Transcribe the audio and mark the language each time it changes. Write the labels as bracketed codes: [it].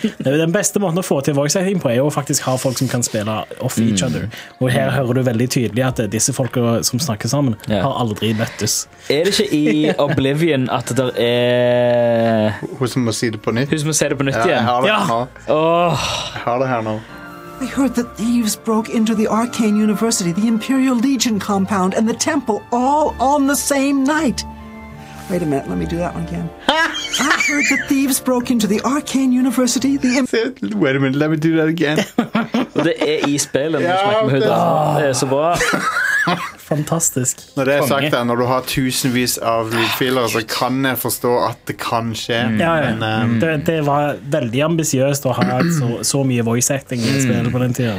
[no] Den beste måten å få til voice acting på er å faktisk ha folk som kan spille [en] off each other. [no] Og her hører du veldig tydelig at disse folk som snakker sammen har aldri møttes. Er det ikke i Oblivion at det er... Hun som må si det på nytt? Hun som må si det på nytt igjen? Ja, jeg har det her nå. Oh. Jeg har det her nå. [en] I heard that thieves broke into the Arcane University, the Imperial Legion compound, and the temple all on the same night. Wait a minute, let me do that one again. I heard that thieves broke into the Arcane University, the Imperial... Wait a minute, let me do that again. [no] Det er i spillet, når du smekker med hudet. Det er så bra. Fantastisk. Når det er sagt, da, når du har tusenvis av lydfiler, så kan jeg forstå at det kan skje. Det var veldig ambisiøst å ha så mye voice acting i spillet på den tiden.